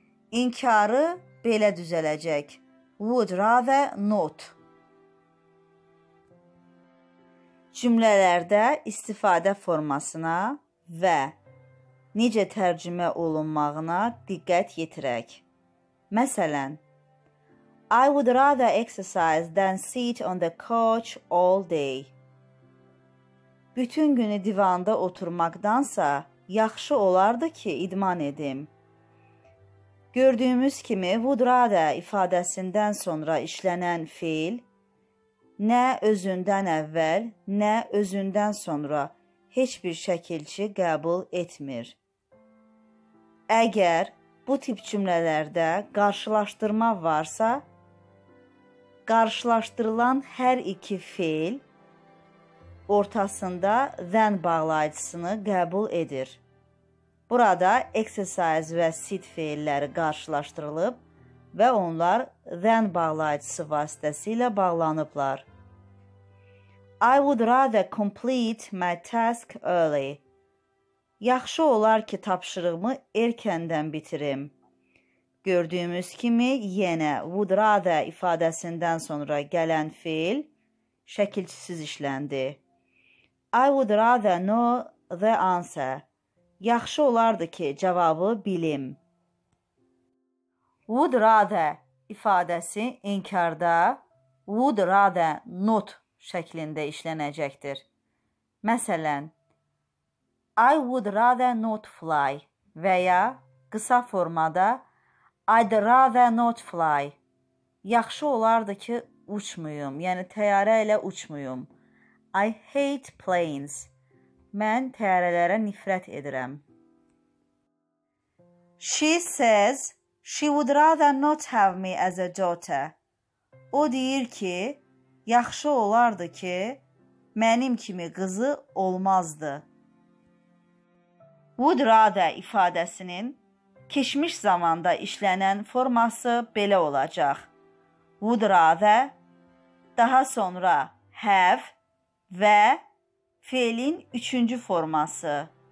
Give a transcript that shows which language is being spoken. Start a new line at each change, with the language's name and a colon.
Azerbaijani: İnkarı belə düzələcək.
English: Would rather not.
Azerbaijani: Cümlələrdə istifadə formasına və necə tərcümə olunmağına diqqət yetirək. Məsələn,
English: I would rather exercise than sit on the couch all day.
Azerbaijani: Bütün günü divanda oturmaqdansa, yaxşı olardı ki, idman edim. Gördüyümüz kimi, would rather ifadəsindən sonra işlənən fiil, nə özündən əvvəl, nə özündən sonra heç bir şəkilçi qəbul etmir. Əgər bu tip cümlələrdə qarşılaşdırma varsa, qarşılaşdırılan hər iki fiil ortasında than bağlayıcısını qəbul edir. Burada exercise və sit fiilləri qarşılaşdırılıb və onlar than bağlayıcısı vasitəsilə bağlanıblar.
English: I would rather complete my task early.
Azerbaijani: Yaxşı olar ki, tapşırığımı erkəndən bitirim. Gördüyümüz kimi, yenə would rather ifadəsindən sonra gələn fiil şəkilçisiz işləndi.
English: I would rather know the answer.
Azerbaijani: Yaxşı olardı ki, cavabı bilim. Would rather ifadəsi inkarda would rather not şəklində işlənəcəkdir. Məsələn,
English: I would rather not fly
Azerbaijani: və ya qısa formada
English: I'd rather not fly.
Azerbaijani: Yaxşı olardı ki, uçmuyum, yəni təyyarə ilə uçmuyum.
English: I hate planes.
Azerbaijani: Mən təyyarələrə nifrət edirəm.
English: She says she would rather not have me as a daughter.
Azerbaijani: O deyir ki, yaxşı olardı ki, mənim kimi qızı olmazdı. Would rather ifadəsinin keçmiş zamanda işlənən forması belə olacaq. Would rather, daha sonra have və fiilin üçüncü forması.